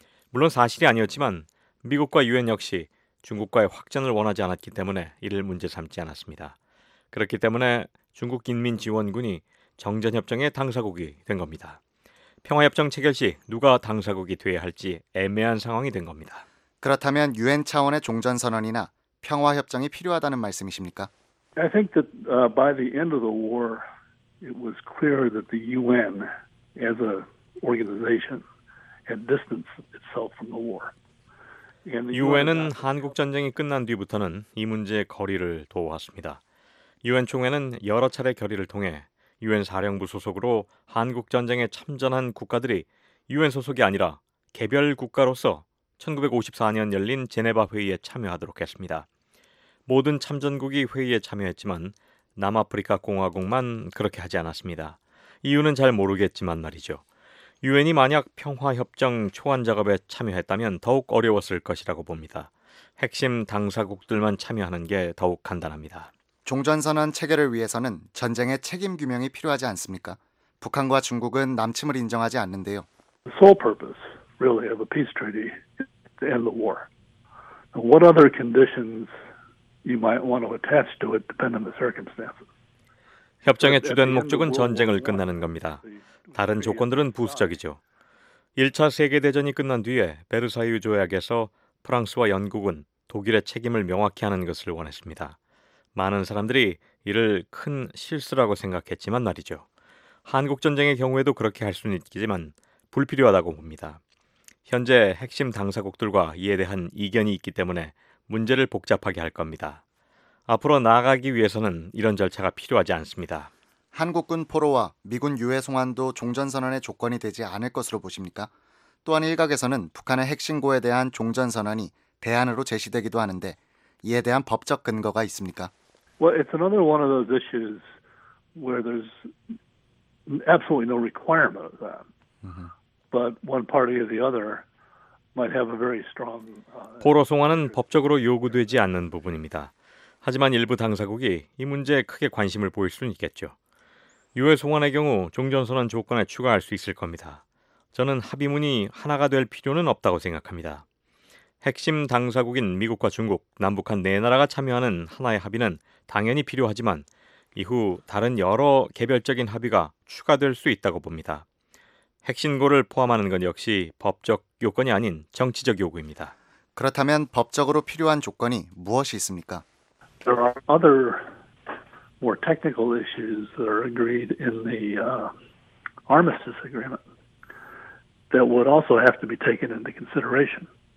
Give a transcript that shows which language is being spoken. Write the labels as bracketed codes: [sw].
[ko] 물론 사실이 아니었지만 미국과 유엔 역시 중국과의 확전을 원하지 않았기 때문에 이를 문제 삼지 않았습니다. 그렇기 때문에 중국 인민지원군이 정전협정의 당사국이 된 겁니다. 평화협정 체결 시 누가 당사국이 돼야 할지 애매한 상황이 된 겁니다. 그렇다면 유엔 차원의 종전선언이나 평화협정이 필요하다는 말씀이십니까? [en] I think that by the end of the war, it was clear that the UN as an organization had distanced itself from the war. [ko] 유엔은 한국 전쟁이 끝난 뒤부터는 이 문제의 거리를 두었습니다. 유엔 총회는 여러 차례 결의를 통해 유엔 사령부 소속으로 한국 전쟁에 참전한 국가들이 유엔 소속이 아니라 개별 국가로서 1954년 열린 제네바 회의에 참여하도록 했습니다. 모든 참전국이 회의에 참여했지만 남아프리카 공화국만 그렇게 하지 않았습니다. 이유는 잘 모르겠지만 말이죠. 유엔이 만약 평화협정 초안 작업에 참여했다면 더욱 어려웠을 것이라고 봅니다. 핵심 당사국들만 참여하는 게 더욱 간단합니다. 종전선언 체결을 위해서는 전쟁의 책임 규명이 필요하지 않습니까? 북한과 중국은 남침을 인정하지 않는데요. [en] The sole purpose really of a peace treaty is to end the war. What other conditions you might want to attach to it depend on the circumstances. [ko] 협정의 주된 목적은 전쟁을 끝내는 겁니다. 다른 조건들은 부수적이죠. 1차 세계대전이 끝난 뒤에 베르사유 조약에서 프랑스와 영국은 독일의 책임을 명확히 하는 것을 원했습니다. 많은 사람들이 이를 큰 실수라고 생각했지만 말이죠. 한국전쟁의 경우에도 그렇게 할 수는 있겠지만 불필요하다고 봅니다. 현재 핵심 당사국들과 이에 대한 이견이 있기 때문에 문제를 복잡하게 할 겁니다. 앞으로 나아가기 위해서는 이런 절차가 필요하지 않습니다. 한국군 포로와 미군 유해 송환도 종전선언의 조건이 되지 않을 것으로 보십니까? 또한 일각에서는 북한의 핵신고에 대한 종전선언이 대안으로 제시되기도 하는데 이에 대한 법적 근거가 있습니까? [en] Well, it's another one of those issues where there's absolutely no requirement of that. But one party or the other might have a very strong... [ko] 포로 송환은 법적으로 요구되지 않는 부분입니다. 하지만 일부 당사국이 이 문제에 크게 관심을 보일 수는 있겠죠. 유해 송환의 경우 종전선언 조건에 추가할 수 있을 겁니다. 저는 합의문이 하나가 될 필요는 없다고 생각합니다. 핵심 당사국인 미국과 중국, 남북한 네 나라가 참여하는 하나의 합의는 당연히 필요하지만 이후 다른 여러 개별적인 합의가 추가될 수 있다고 봅니다. 핵신고를 포함하는 건 역시 법적 요건이 아닌 정치적 요구입니다. 그렇다면 법적으로 필요한 조건이 무엇이 있습니까? [en] There are other more technical issues that are agreed in the armistice agreement that would also have to be taken into consideration.